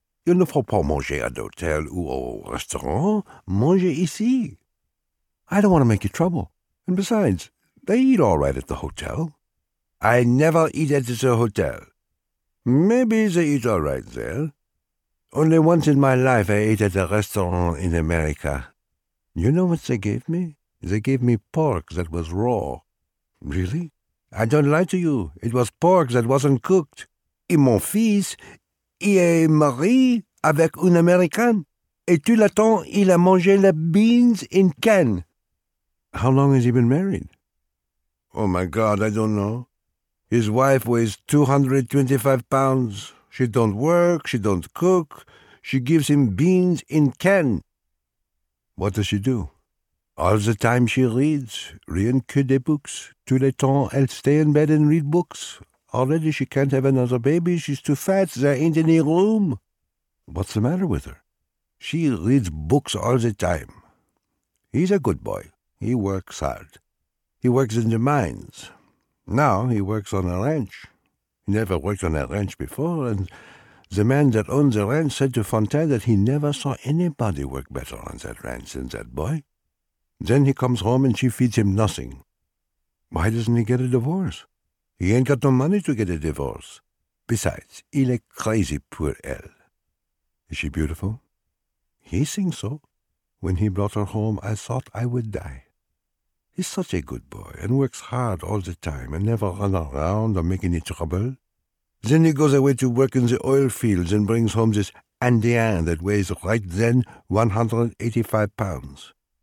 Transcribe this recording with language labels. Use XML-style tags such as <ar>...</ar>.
<fr>Il ne faut pas manger à l'hôtel ou au restaurant. Manger ici.</fr> <en>I don't want to make you trouble. And besides, they eat all right at the hotel. I never eat at the hotel. Maybe they eat all right there. Only once in my life I ate at a restaurant in America. You know what they gave me? They gave me pork that was raw. Really? I don't lie to you. It was pork that wasn't cooked.</en> <fr>Et mon fils, il est marié avec une Américaine. Et tout le temps, il a mangé les</fr> <en>beans in can. How long has he been married? Oh, my God, I don't know. His wife weighs 225 pounds. She don't work, she don't cook. She gives him beans in can. What does she do? All the time she reads,</en> <fr>rien que des</fr> <en>books.</en> <fr>Tout le temps, elle</fr> <en>stay in bed and read books. Already she can't have another baby. She's too fat. There ain't any room. What's the matter with her? She reads books all the time. He's a good boy. He works hard. He works in the mines. Now he works on a ranch. He never worked on a ranch before, and the man that owns the ranch said to Fontaine that he never saw anybody work better on that ranch than that boy. Then he comes home and she feeds him nothing. Why doesn't he get a divorce? He ain't got no money to get a divorce.</en> <fr>Besides, il est crazy pour elle.</fr> <en>Is she beautiful? He thinks so. When he brought her home, I thought I would die. He's such a good boy and works hard all the time and never run around or make any trouble. Then he goes away to work in the oil fields and brings home this Indian that weighs right then 185 pounds.</en>